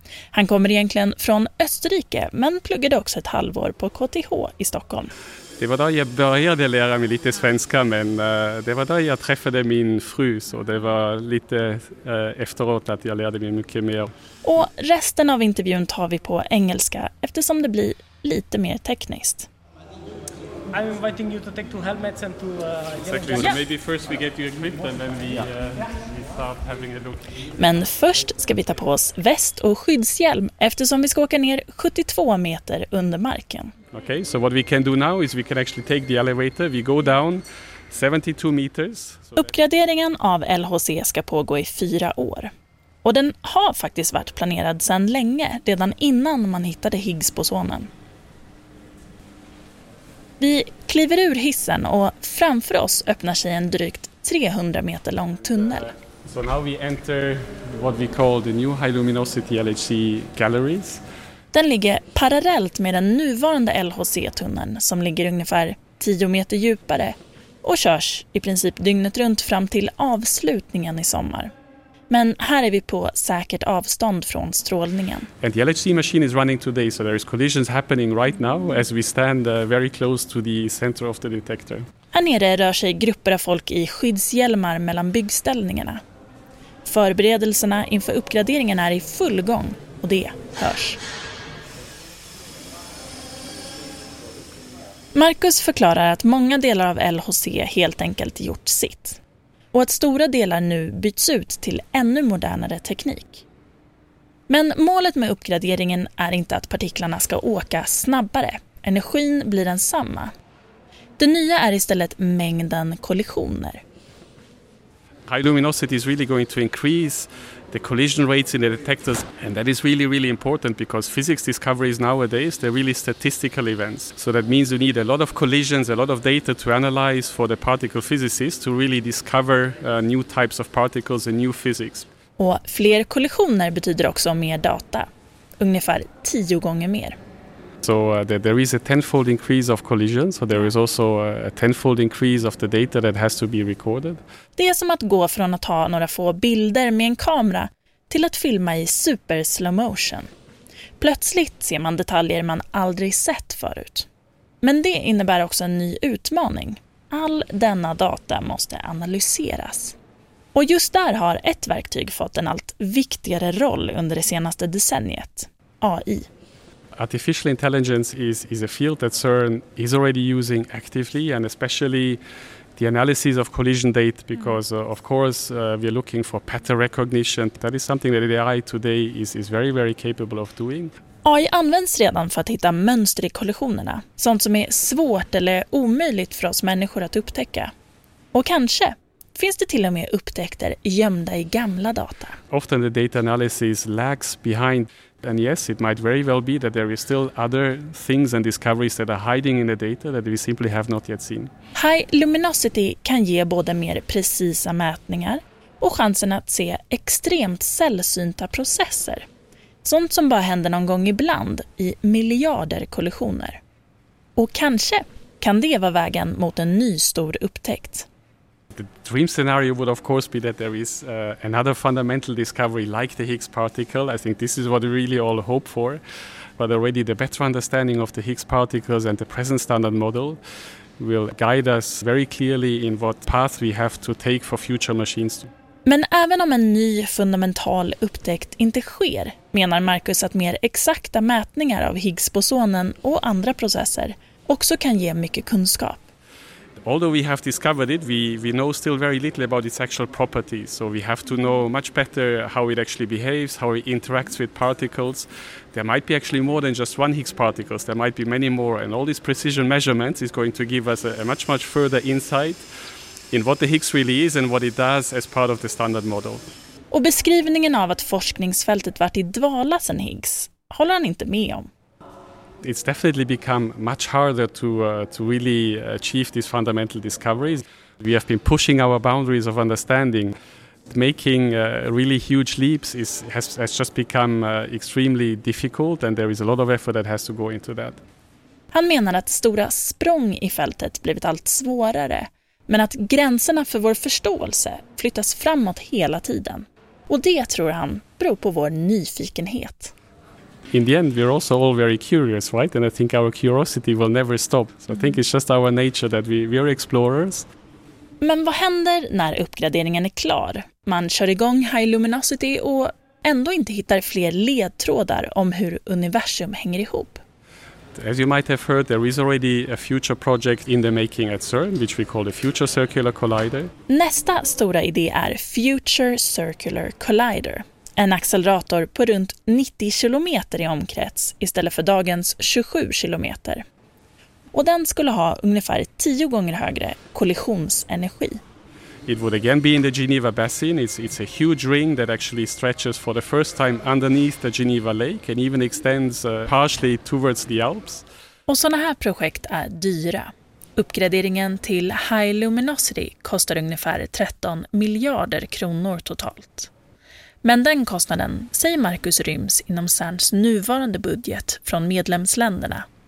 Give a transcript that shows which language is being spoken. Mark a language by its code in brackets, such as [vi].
[sv] Han kommer egentligen från Österrike men pluggade också ett halvår på KTH i Stockholm. Det var där jag började lära mig lite svenska, men det var där jag träffade min fru, så det var lite efteråt att jag lärde mig mycket mer. Och resten av intervjun tar vi på engelska eftersom det blir lite mer tekniskt. [en] I'm inviting you to take two helmets and two exactly. So maybe first we get you equipped and then we start having a look. [sv] Men först ska vi ta på oss väst och skyddshjälm eftersom vi ska åka ner 72 meter under marken. [en] Okay, so what we can do now is we can actually take the elevator. We go down 72 meters. [sv] Uppgraderingen av LHC ska pågå i 4 år. Och den har faktiskt varit planerad sedan länge, redan innan man hittade Higgs-bosonen. Vi kliver ur hissen och framför oss öppnar sig en drygt 300 meter lång tunnel. [en] So now we enter what we call the new high luminosity LHC galleries. [sv] Den ligger parallellt med den nuvarande LHC-tunneln som ligger ungefär 10 meter djupare och körs i princip dygnet runt fram till avslutningen i sommar. Men här är vi på säkert avstånd från strålningen. [en] And the LHC machine is running today, so there is collisions happening right now as we stand very close to the center of the detector. [sv] Här nere rör sig grupper av folk i skyddshjälmar mellan byggställningarna. Förberedelserna inför uppgraderingen är i full gång och det hörs. Marcus förklarar att många delar av LHC helt enkelt gjort sitt. Och att stora delar nu byts ut till ännu modernare teknik. Men målet med uppgraderingen är inte att partiklarna ska åka snabbare. Energin blir densamma. Det nya är istället mängden kollisioner. [en] High luminosity is really going to increase the collision rates in the detectors, and that is really, really important because physics discoveries nowadays, they're really statistical events. So that means you need a lot of collisions, a lot of data to analyze for the particle physicists to really discover new types of particles and new physics. [sv] Och fler kollisioner betyder också mer data, ungefär 10 gånger mer. [en] So there is a tenfold increase of collisions, so there is also a tenfold increase of the data that has to be recorded. [sv] Det är som att gå från att ta några få bilder med en kamera till att filma i super slow motion. Plötsligt ser man detaljer man aldrig sett förut. Men det innebär också en ny utmaning. All denna data måste analyseras. Och just där har ett verktyg fått en allt viktigare roll under det senaste decenniet, AI. [en] Artificial intelligence is a field that CERN is already using actively, and especially the analysis of collision data, because of course we are looking for pattern recognition. That is something that AI today is very, very capable of doing. [sv] AI används redan för att hitta mönster i kollisionerna, sånt som är svårt eller omöjligt för oss människor att upptäcka. Och kanske finns det till och med upptäckter gömda i gamla data. [en] Often the data analysis lags behind. And yes, it might very well be that there is still other things and discoveries that are hiding in the data that we simply have not yet seen. [sv] High luminosity kan ge både mer precisa mätningar och chansen att se extremt sällsynta processer. Sånt som bara händer någon gång ibland i miljarder kollisioner. Och kanske kan det vara vägen mot en ny stor upptäckt. [en] The dream scenario would of course be that there is another fundamental discovery like the Higgs particle. I think this is what we really all hope for. But already the better understanding of the Higgs particles and the present standard model will guide us very clearly in what path we have to take for future machines. [sv] Men även om en ny fundamental upptäckt inte sker, menar Marcus att mer exakta mätningar av Higgs-bosonen och andra processer också kan ge mycket kunskap. [en] Although we have discovered it, we know still very little about its actual properties. So we have to know much better how it actually behaves, how it interacts with particles. There might be actually more than just one Higgs particles. There might be many more. And all these precision measurements is going to give us a much, much further insight in what the Higgs really is and what it does as part of the standard model. [sv] Och beskrivningen av att forskningsfältet varit i dvala sen Higgs håller han inte med om. [en] It's definitely become much harder to really achieve these fundamental discoveries. We have been pushing our boundaries of understanding. Making really huge leaps has just become extremely difficult, and there is a lot of effort that has to go into that. [sv] Han menar att stora språng i fältet blivit allt svårare, men att gränserna för vår förståelse flyttas framåt hela tiden. Och det tror han beror på vår nyfikenhet. [en] In the end, we're also all very curious, right? And I think our curiosity will never stop. So I think it's just our nature that we are explorers. [sv] Men vad händer när uppgraderingen är klar? Man kör igång High Luminosity och ändå inte hittar fler ledtrådar om hur universum hänger ihop. [en] As you might have heard, there is already a future project in the making at CERN, which we call the Future Circular Collider. [sv] Nästa stora idé är Future Circular Collider. En accelerator på runt 90 kilometer i omkrets istället för dagens 27 kilometer. Och den skulle ha ungefär 10 gånger högre kollisionsenergi. [en] It would again be in the Geneva Basin. It's a huge ring that actually stretches for the first time underneath the Geneva Lake and even extends partially towards the Alps. [sv] Och såna här projekt är dyra. Uppgraderingen till High Luminosity kostar ungefär 13 miljarder kronor totalt. Men den kostnaden, säger Marcus, ryms inom CERNs nuvarande budget från medlemsländerna.